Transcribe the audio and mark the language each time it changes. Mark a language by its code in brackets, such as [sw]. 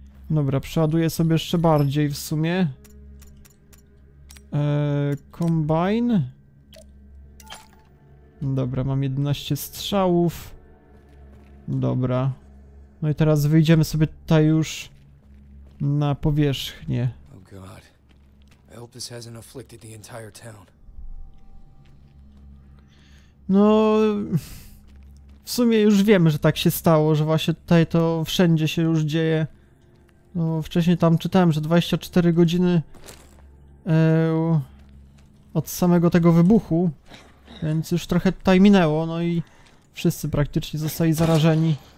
[pl] Dobra, przeładuję sobie jeszcze bardziej w sumie. [en] Combine. [pl] Dobra, mam 11 strzałów. Dobra. No i teraz wyjdziemy sobie tutaj już na powierzchnię. [en] Oh God. I hope this hasn't afflicted the entire town. [pl] No... w sumie już wiemy, że tak się stało, że właśnie tutaj to wszędzie się już dzieje. No, wcześniej tam czytałem, że 24 godziny od samego tego wybuchu, więc już trochę tutaj minęło, no i wszyscy praktycznie zostali zarażeni.